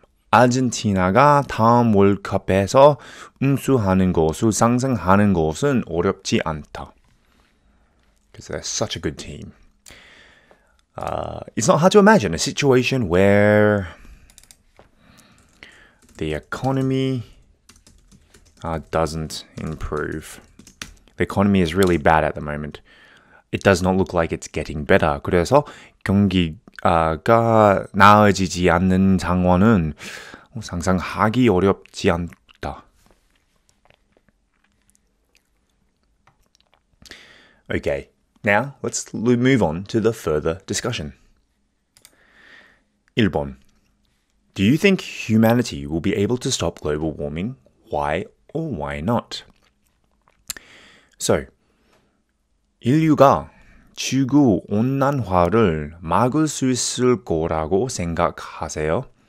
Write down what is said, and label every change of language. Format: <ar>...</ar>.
<ko>아르헨티나가 다음 월드컵에서 우승하는 것을 상상하는 것은 어렵지 않다.</ko> <en>Because they're such a good team. It's not hard to imagine a situation where the economy doesn't improve. The economy is really bad at the moment. It does not look like it's getting better.</en> <ko>그래서 경기가 나아지지 않는 상황은 상상하기 어렵지 않다.</ko> <en>Okay, now let's move on to the further discussion.</en> <ko>1번.</ko> <en>Do you think humanity will be able to stop global warming? Why or why not?</en> <ko>So, 인류가 지구 온난화를 막을 수 있을 거라고 생각하세요?</ko>